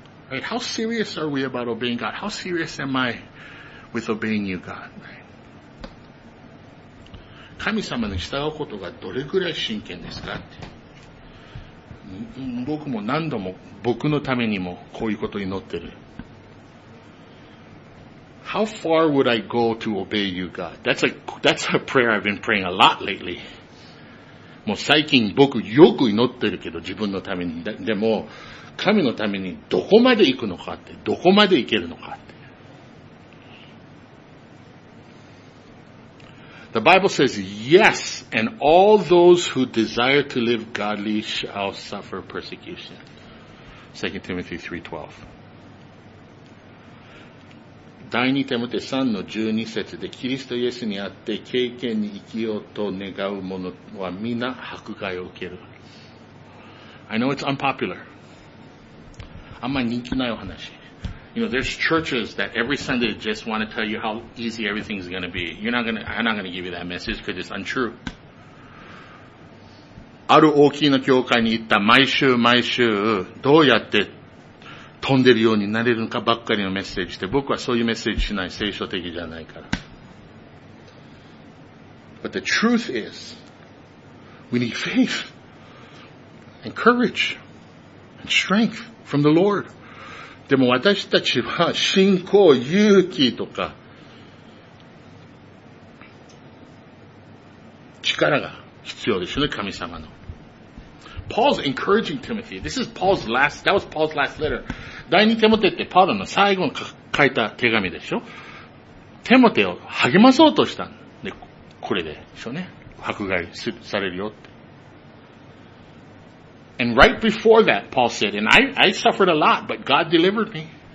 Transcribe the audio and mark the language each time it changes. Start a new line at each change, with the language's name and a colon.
English: Right, how serious are we about obeying God? How serious am I with obeying you, God? Right.
Japanese: 神様に従うことがどれぐらい真剣ですかって。僕も何度も僕のためにもこういうことを祈ってる。
English: How far would I go to obey you, God? That's a prayer I've been praying a lot lately.
Japanese: もう最近僕よく祈ってるけど自分のために。でも、神のためにどこまで行くのかって、どこまで行けるのかって。
English: The Bible says, yes, and all those who desire to live godly shall suffer persecution. 2 Timothy 3:12.
Japanese: 第2テモテ3の12節で、キリストイエスにあって敬虔に生きようと願う者は皆迫害を受ける。
English: I know it's unpopular.
Japanese: あんま人気ないお話。
English: You know, there's churches that every Sunday just want to tell you how easy everything is going to be. I'm not going to give you that message because it's untrue.
Japanese: ある大きな教会に行った毎週毎週どうやって飛んでるようになれるのかばっかりのメッセージで僕はそういうメッセージしない。聖書的じゃないから。
English: But the truth is, we need faith and courage and strength. From the Lord.
Japanese: でも私たちは信仰、勇気とか力が必要ですね、神様の。
English: Paul's encouraging Timothy. That was Paul's last letter.
Japanese: 第二テモテってパウロの最後に書いた手紙でしょ。テモテを励まそうとしたんで、これでしょね。迫害されるよって。
English: And right before that, Paul said, and I suffered a lot, but God delivered me.